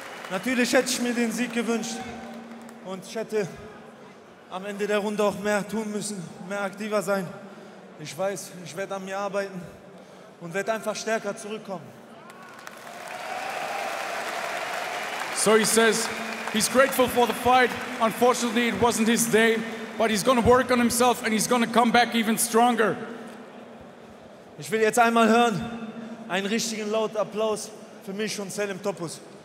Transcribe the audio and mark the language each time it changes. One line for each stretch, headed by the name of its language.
German: Natürlich hätte ich mir den Sieg gewünscht. Und ich hätte am Ende der Runde auch mehr tun müssen, mehr aktiver sein. Ich weiß, ich werde an mir arbeiten und werde einfach stärker zurückkommen.
English: So he says, he's grateful for the fight. Unfortunately, it wasn't his day, but he's gonna work on himself and he's gonna come back even stronger.
German: Ich will jetzt einmal hören, einen richtigen lauten Applaus für mich und Selim Topuz.